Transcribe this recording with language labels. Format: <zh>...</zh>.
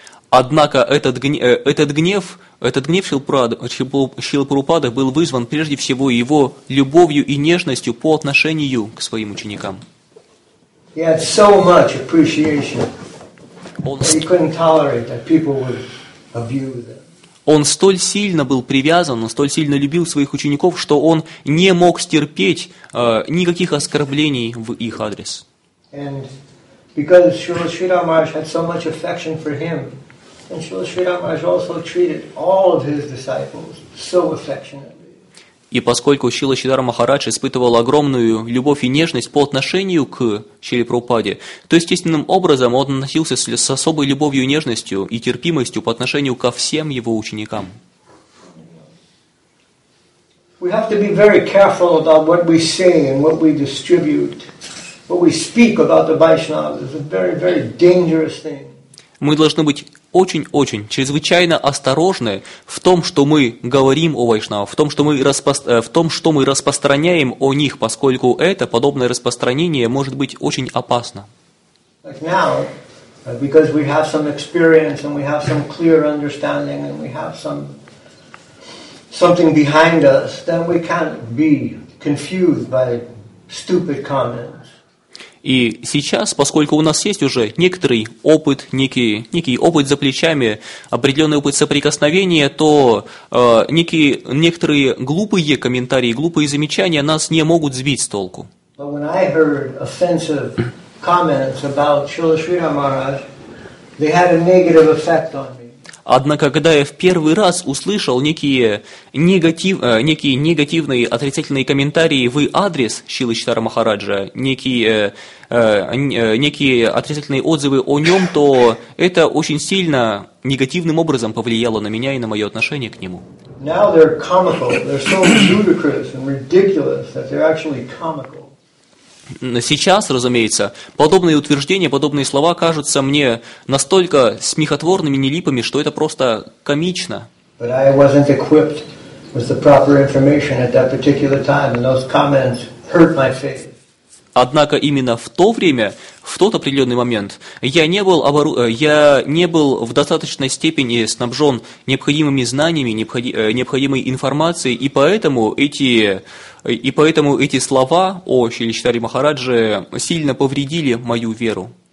<ru>Однако этот гнев Шрилы Прабхупады был вызван прежде всего его любовью и нежностью по отношению к своим ученикам.</ru> <en>He had so much appreciation that he couldn't tolerate that people would abuse them.</en> <ru>Он столь сильно был привязан, он столь сильно любил своих учеников, что он не мог стерпеть никаких оскорблений в их адрес.</ru> <en>And because Srila Sridhar Maharaj had so much affection for him, and Srila Sridhar Maharaj also treated all of his disciples so affectionately.</en> <ru>И поскольку Шрила Сридхара Махарадж испытывал огромную любовь и нежность по отношению к Шриле Прабхупаде, то естественным образом он относился с особой любовью и нежностью и терпимостью по отношению ко всем его ученикам.</ru> <en>We have to be very careful about what we say and what we distribute. What we speak about the Vaishnavas is a very, very dangerous thing.</en> <ru>Мы должны быть очень-очень, чрезвычайно осторожны в том, что мы говорим о вайшнавах, в том, что мы распространяем о них, поскольку это, подобное распространение, может быть очень опасно.</ru> <en>Like now, because we have some experience, and we have some clear understanding, and we have something behind us, then we can't be confused by stupid comments.</en> <ru>И сейчас, поскольку у нас есть уже некоторый опыт, некий опыт за плечами, определенный опыт соприкосновения, то некоторые глупые комментарии, глупые замечания нас не могут сбить с толку.</ru> <en>But when I heard offensive comments about Srila Sridhara Maharaj, they had a negative effect on me.</en> <ru>Однако, когда я в первый раз услышал некие негативные, отрицательные комментарии в адрес Шрилы Сридхара Махараджа, некие отрицательные отзывы о нем, то это очень сильно негативным образом повлияло на меня и на мое отношение к нему.</ru> <en>Now they're comical. They're so ludicrous and ridiculous that they're actually comical.</en> <ru>Сейчас, разумеется, подобные утверждения, подобные слова кажутся мне настолько смехотворными, нелипыми, что это просто комично.</ru> <en>But I wasn't equipped with the proper information at that particular time, and those comments hurt my faith.</en> <ru>Однако именно в то время, в тот определенный момент, я не был в достаточной степени снабжен необходимыми знаниями, необходимой информацией, и поэтому эти слова о Шриле Сридхаре Махарадже сильно повредили мою веру.</ru>